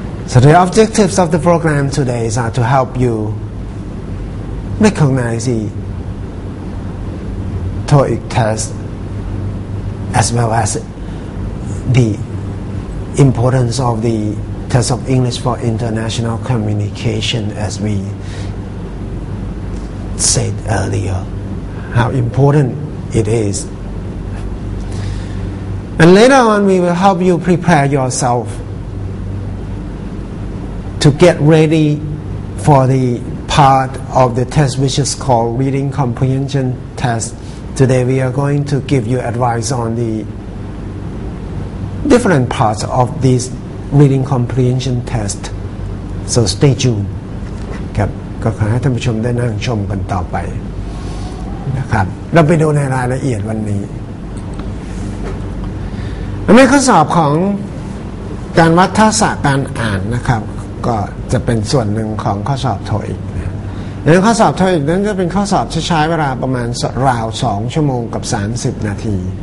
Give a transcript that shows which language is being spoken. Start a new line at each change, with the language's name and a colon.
English: So the objectives of the program today is to help youRecognize the TOEIC test as well as the importance of the test of English for international communication as we said earlier, how important it is. And later on we will help you prepare yourself to get ready for thePart of the test which is called Reading Comprehension Test. Today we are going to give you advice on the different parts of this Reading Comprehension Test. So stay tuned.
Thai: ครับก็ขอให้ท่านผู้ชมได้นั่งชมกันต่อไปนะครับเราไปดูในรายละเอียดวันนี้ ในข้อสอบของการวัดทักษะการอ่านนะครับก็จะเป็นส่วนหนึ่งของข้อสอบTOEICในข้อสอบTOEICนั้นจะเป็นข้อสอบใช้เวลาประมาณราว2ชั่วโมงกับ30นาที